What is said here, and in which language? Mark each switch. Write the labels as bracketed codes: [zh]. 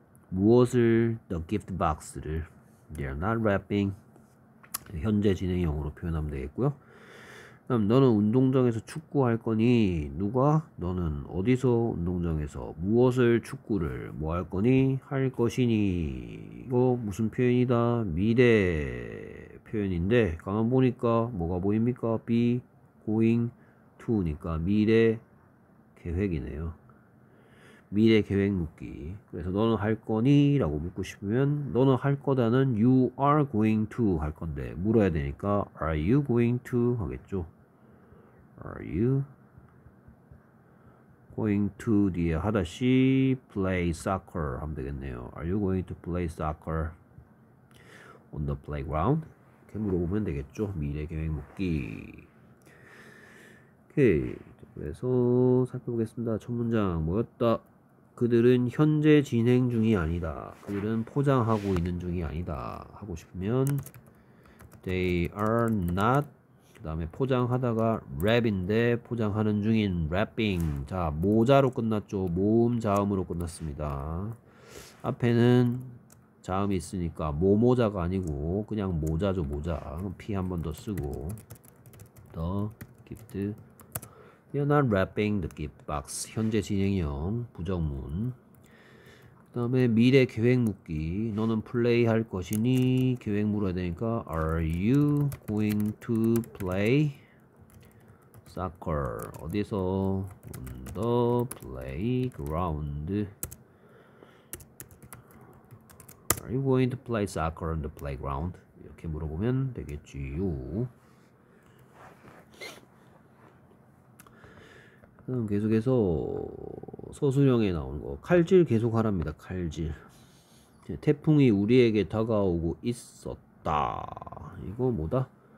[ko] 무엇을 [en] the gift box를 They are not rapping. [ko] 현재 진행형으로 표현하면 되겠고요. 그럼 너는 운동장에서 축구할 거니? 누가? 너는 어디서 운동장에서 무엇을 축구를 뭐할 거니? 할 것이니? 이거 무슨 표현이다? 미래 표현인데 가만 보니까 뭐가 보입니까? [en] Be going to니까 미래 계획이네요. [ko] 미래 계획 묻기. 그래서 너는 할 거니? 라고 묻고 싶으면 너는 할 거다는 you are going to 할 건데 물어야 되니까 are you going to 하겠죠? [en] Are you going to [ko] 뒤에 하다시 [en] play soccer 하면 되겠네요. Are you going to play soccer on the playground? [ko] 이렇게 물어보면 되겠죠? 미래 계획 묻기. 오케이. 그래서 살펴보겠습니다. 첫 문장 뭐였다? 그들은 현재 진행 중이 아니다. 그들은 포장하고 있는 중이 아니다. 하고 싶으면 they are not 그다음에 포장하다가 랩인데 포장하는 중인 랩핑. 자, 모자로 끝났죠. 모음 자음으로 끝났습니다. 앞에는 자음이 있으니까 모모자가 아니고 그냥 모자죠, 모자. P 한번더 쓰고 더 기프트 [en] You're not wrapping the gift box. [ko] 현재 진행형 부정문. 그다음에 미래 계획 묻기. 너는 플레이 할 것이니? 계획 물어야 되니까 [en] Are you going to play soccer? [ko] 어디서? [en] On the playground. Are you going to play soccer on the playground? [ko] 이렇게 물어보면 되겠지요. 그럼 계속해서 서술형에 나오는 거 칼질 계속 하랍니다. 칼질. 태풍이 우리에게 다가오고 있었다. 이거 뭐다?